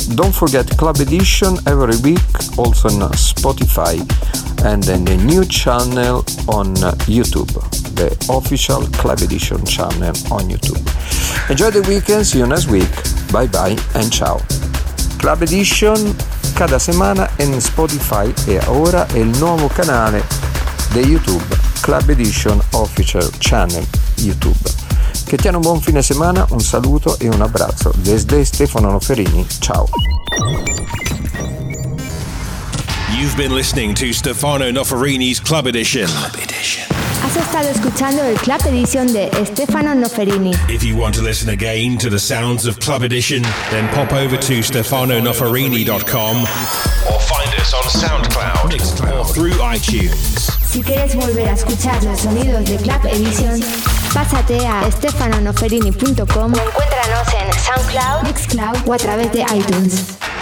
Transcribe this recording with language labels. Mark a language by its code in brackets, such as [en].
[en] Don't forget Club Edition every week, also on Spotify and then the new channel on YouTube, the official Club Edition channel on YouTube. Enjoy the weekend, see you next week. Bye bye and ciao. [it] Club Edition [es] cada semana [it] in Spotify e ora è il nuovo canale di YouTube, Club Edition official channel YouTube. Che tiano un buon fine settimana, un saluto e un abbraccio. [es] Desde Stefano Noferini, ciao. [en] You've been listening to Stefano Noferini's Club Edition. Club Edition. [es] Has estado escuchando el Club Edition de Stefano Noferini. [en] If you want to listen again to the sounds of Club Edition, then pop over to stefanonoferini.com or find us on SoundCloud. Mixcloud. through iTunes. [es] Si quieres volver a escuchar los sonidos de Club Edition, pásate a stefanonoferini.com o encuéntranos en SoundCloud, Mixcloud o a través de iTunes.